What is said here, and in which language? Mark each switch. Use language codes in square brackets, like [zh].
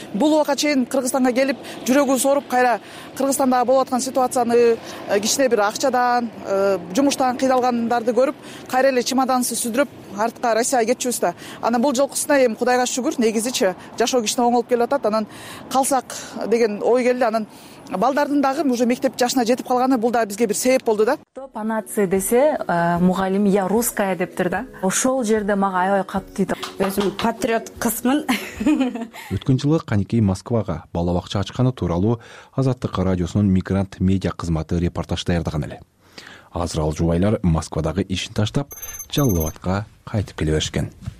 [ky] Бул убакка чейин Кыргызстанга келип жүрөгүбүз ооруп, кайра Кыргызстанда болуп аткан ситуацияны, кичине бир акчадан, жумуштан кыйналгандарды көрүп, кайра эле чемоданыбызды сүздүрүп артка Россияга кетчүбүз да. Анан бул жолкусуна эми Кудайга шүгүр, негизичи жашоо кичине оңолуп келип атат. Анан калсак деген ой келди. Анан балдардын дагы уже мектеп жашына жетип калганы бул дагы бизге бир себеп болду да. [ru] Кто по нации [ky] десе мугалим [ru] я русская [ky] дептир да. Ошол жерде мага аябай каттыйт. Өзүм патриот кызмын. Өткөн жылы каникей Москвага бала бакча ачканы тууралуу Азаттык радиосунун мигрант медиа кызматы репортаж даярдаган эле. Азыр ал жубайлар Москвадагы ишин таштап Жалалабадка кайтып келе беришкен.